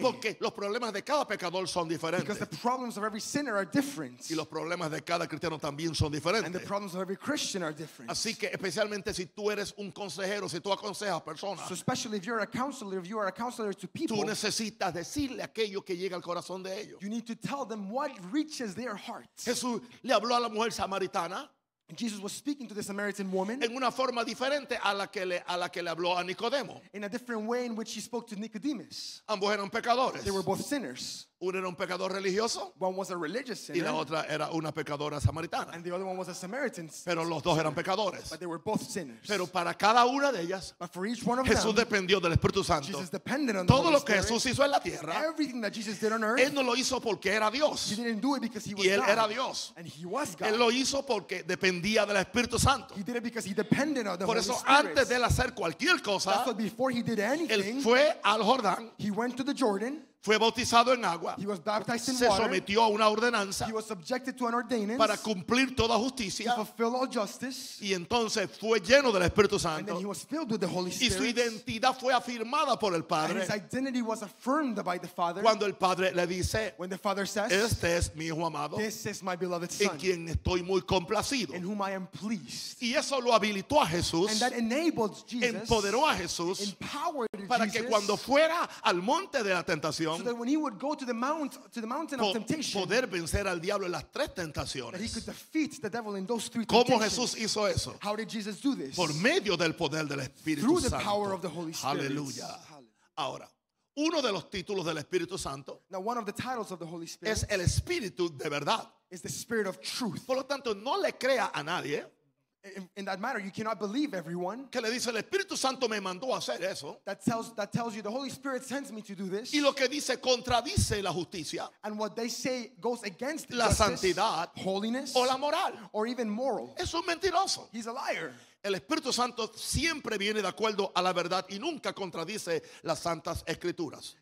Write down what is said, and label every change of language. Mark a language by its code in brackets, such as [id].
[es] Porque los problemas de cada pecador son diferentes. [en] Because the problems of every sinner are different. [es] Y los problemas de cada cristiano también son diferentes. [en] And the problems of every Christian are different. [es] Así que especialmente si tú eres un consejero, si tú aconsejas personas. [en] So especially if you are a counselor to people. [es] Tú necesitas decirle a que llega al corazón de ellos. [en] You need to tell them what reaches their hearts. [es] Jesús le habló a la mujer samaritana. [en] Jesus was speaking to the Samaritan woman. [es] En una forma diferente a la que le habló a Nicodemo. [en] In a different way in which he spoke to Nicodemus. [es] Ambos eran pecadores. [en] They were both sinners. [es] Uno era un pecador religioso. [en] One was a religious sinner. [es] Y la otra era una pecadora samaritana. [en] And the other one was a Samaritan. [es] Pero los dos eran pecadores. [en] But they were both sinners. [es] Pero para cada una de ellas, [en] but for each one of [es] Jesús [en] them, [es] dependió del Espíritu Santo. [en] Jesus depended on the [es] todo [en] Holy [es] lo que [en] Spirit. [es] Jesús hizo en la tierra. [en] Everything that Jesus did on earth. [es] Él no lo hizo porque era Dios. [en] He didn't do it because he was [es] y él [en] God. [es] Era Dios. [en] And he was God. [es] Él lo hizo porque dependía del Espíritu Santo. [en] He did it because he depended on the Holy [es] Spirit. Por eso [en] Spirit. [es] Antes de él hacer cualquier cosa, [en] that's what before he did anything, [es] él fue al Jordán. [en] He went to the Jordan. [es] Fue bautizado en agua. [en] He was baptized in [es] se sometió A una ordenanza. [en] He was subjected to an ordinance. [es] Para cumplir toda justicia. [en] To fulfill all justice. [es] Y entonces fue lleno del Espíritu Santo. [en] And then he was filled with the Holy Spirit. [es] Y su identidad fue afirmada por el Padre. [en] And his identity was affirmed by the Father. [es] Cuando el Padre le dice, [en] when the Father says, [es] este es mi hijo amado. [en] This is my beloved son. [es] En quien estoy muy complacido. [en] In whom I am pleased. [es] Y eso lo habilitó a Jesús. [en] And that enabled Jesus. [es] Empoderó a Jesús. [en] Empowered [es] para [en] Jesus. [es] Para que cuando fuera al monte de la tentación. [en] So that when he would go to the mountain of temptation, [es] poder vencer al diablo en las tres tentaciones, [en] that he could defeat the devil in those three temptations. [es] ¿Cómo Jesús hizo eso? [en] How did Jesus do this? [es] Por medio del poder del Espíritu [en] through [es] Santo. [en] The power of the Holy Spirit. Hallelujah. Hallelujah. [es] Ahora, uno de los títulos del Espíritu Santo, [en] now one of the titles of the Holy Spirit, [es] es el Espíritu de verdad, [en] is the Spirit of truth. [es] Por lo tanto, no le crea a nadie. [en] In that matter, you cannot believe everyone. [es] Que le dice, el Espíritu Santo me mandó a hacer eso. [en] That tells you the Holy Spirit sends me to do this. [es] Y lo que dice contradice la justicia. [en] And what they say goes against [es] la [en] justice, [es] santidad, [en] holiness, [es] o la moral, [en] or even moral. [es] Es un mentiroso. [en] He's a liar. [es] El Espíritu Santo siempre viene de acuerdo a la verdad y nunca contradice las santas escrituras.